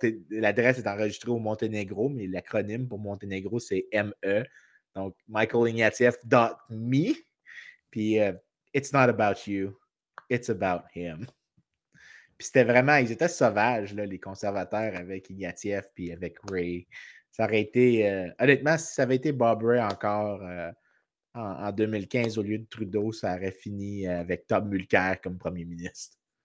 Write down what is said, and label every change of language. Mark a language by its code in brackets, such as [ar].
[fr] L'adresse est enregistrée au Monténégro, mais l'acronyme pour Monténégro, c'est ME. Donc, michaelignatieff.me. [en] Puis, it's not about you, it's about him. [fr] Puis, c'était vraiment, ils étaient sauvages, là, les conservateurs avec Ignatieff puis avec Ray. Ça aurait été, honnêtement, si ça avait été Bob Ray encore en 2015 au lieu de Trudeau, ça aurait fini avec Tom Mulcair comme premier ministre.